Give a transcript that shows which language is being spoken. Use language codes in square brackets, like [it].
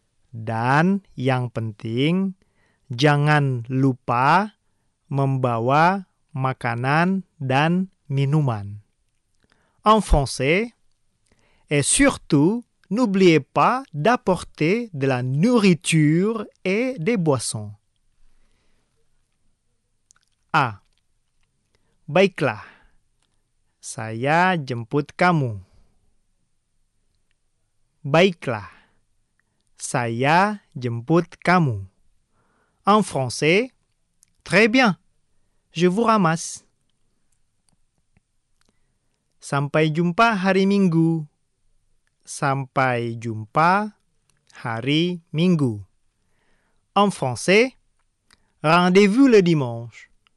[id] Dan yang penting, jangan lupa membawa makanan dan minuman. [fr] En français, et surtout, n'oubliez pas d'apporter de la nourriture et des boissons. A. [id] Baiklah, saya jemput kamu. Baiklah, saya jemput kamu. [fr] En français, très bien, je vous ramasse. [id] Sampai jumpa hari Minggu. Sampai jumpa hari Minggu. [fr] En français, rendez-vous le dimanche.